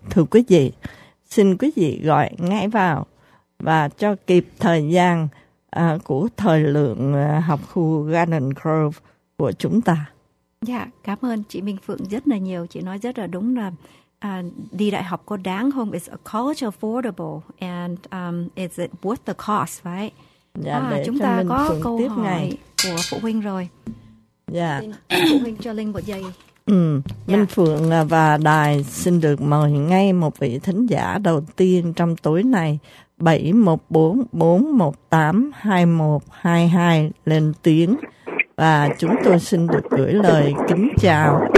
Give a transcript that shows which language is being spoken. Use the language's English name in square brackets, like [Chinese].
[Vietnamese] Thưa quý vị, xin quý vị gọi ngay vào và cho kịp thời gian của thời lượng học khu Garden Grove của chúng ta. Dạ, cảm ơn chị Minh Phượng rất là nhiều. Chị nói rất là đúng là đi đại học có đáng không? [English] Is a college affordable and is it worth the cost, right? [Vietnamese] Dạ, chúng ta có câu tiếp hỏi ngày của phụ huynh rồi. Dạ. Xin phụ huynh cho Linh một giây. Minh Phượng và đài xin được mời ngay một vị thính giả đầu tiên trong tối này, 714-418-2122 lên tiếng, và chúng tôi xin được gửi lời kính chào.